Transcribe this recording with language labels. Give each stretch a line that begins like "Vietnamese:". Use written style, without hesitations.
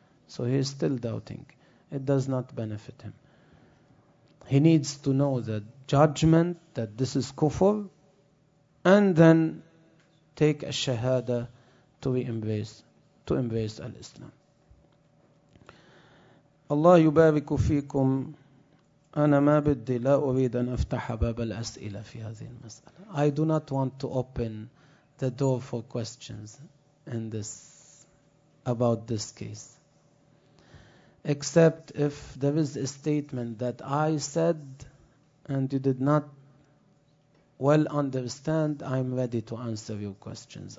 English: So he is still doubting. It does not benefit him. He needs to know the judgment that this is kufr, and then take a shahada to embrace al-Islam.
Arabic: Allah yubariku fikum. أنا ما بدي لا أريد أن أفتح باب الأسئلة في هذه المسألة.
English: I do not want to open the door for questions in this, about this case. except if there is a statement that I said and you did not well understand, I'm ready to answer your questions.